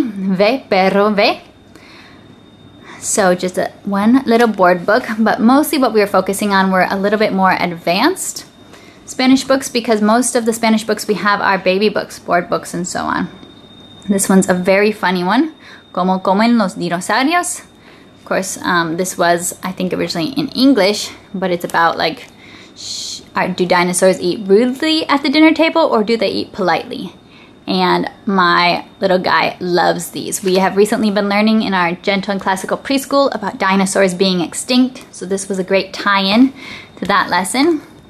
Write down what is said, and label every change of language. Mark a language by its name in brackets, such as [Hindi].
[Spanish] Ve, perro, ve. [English] So just one little board book, but mostly what we were focusing on were a little bit more advanced Spanish books because most of the Spanish books we have are baby books, board books, and so on. This one's a very funny one. [Spanish] Como comen los dinosaurios. [English] Of course, this was, I think, originally in English, but it's about, like, do dinosaurs eat rudely at the dinner table or do they eat politely? And my little guy loves these. We have recently been learning in our gentle and classical preschool about dinosaurs being extinct, so this was a great tie-in to that lesson.